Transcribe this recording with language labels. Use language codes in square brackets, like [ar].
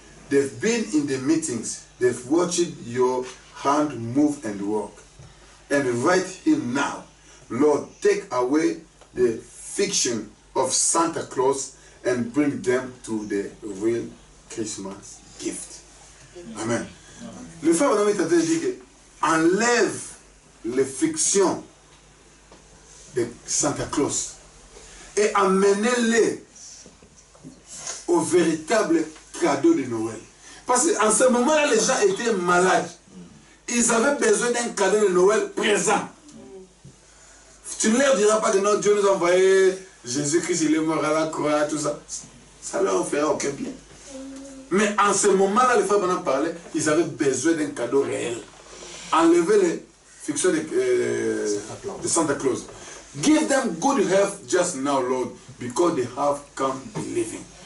[en] They've been in the meetings, they've watched your hand move and walk. And right here now, Lord, take away the fiction of Santa Claus and bring them to the real Christmas gift. Amen. [fr] Le frère Benoît est en train de dire que enlève les fictions de Santa Claus et amenez-les au véritable cadeau de Noël. Parce qu'en ce moment-là, les gens étaient malades. Ils avaient besoin d'un cadeau de Noël présent. Tu ne leur diras pas que non, Dieu nous a envoyé Jésus-Christ, il est mort à la croix, tout ça. Ça ne leur fera aucun bien. Mais en ce moment-là, les frères m'en parlé, ils avaient besoin d'un cadeau réel. Enlevez les fictions de Santa Claus. [en] Give them good health just now, Lord, because they have come believing.